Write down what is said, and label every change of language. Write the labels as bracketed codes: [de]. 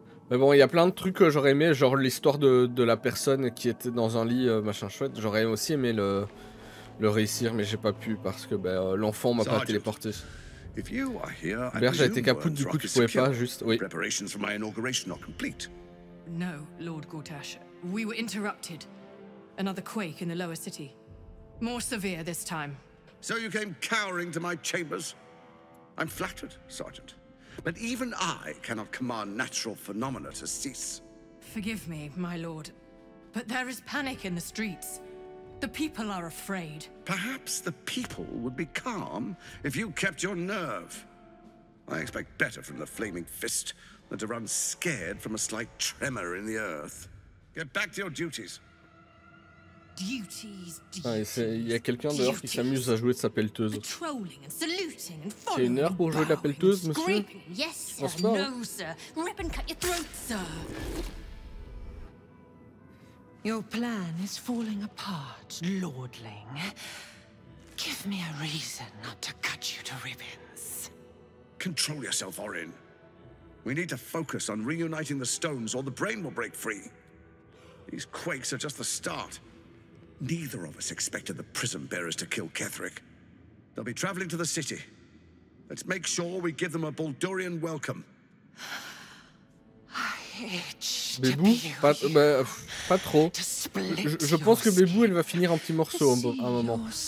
[fr] Mais bon, il y a plein de trucs que j'aurais aimé, genre l'histoire de la personne qui était dans un lit, machin chouette. J'aurais aussi aimé le réussir, mais j'ai pas pu parce que bah, l'enfant m'a pas téléporté. Berge a été capote, du coup tu pouvais pas juste. Oui. [en] Preparations for my inauguration are complete. No, Lord Gortash, we were interrupted. Another quake in the lower city, more severe this time. So you came cowering to my chambers. I'm flattered, Sergeant, but even I cannot command natural phenomena to cease. Forgive me, my lord, but there is panic in the streets. The people are afraid. Perhaps the people would be calm if you kept your nerve. I expect better from the flaming fist than to run scared from a slight tremor in the earth. Get back to your duties. Duties, duties. [fr] Ah, il y a quelqu'un dehors qui s'amuse à jouer de sa pelleteuse. [en] Patrolling and saluting and following. [fr] C'est une heure pour jouer de la pelleteuse, monsieur. [en] Yes, sir. No, sir. Rip and cut your throat, sir. Your plan is falling apart, lordling. Give me a reason not to cut you to ribbons. Control yourself, Orin. We need to focus on reuniting the stones or the brain will break free. These quakes are just the start. Neither of us expected the prism bearers to kill Catherick. They'll be traveling to the city. Let's make sure we give them a Baldurian welcome. [fr] Bébou, pas trop. Je pense que Bébou, elle va finir en petit morceau à un moment.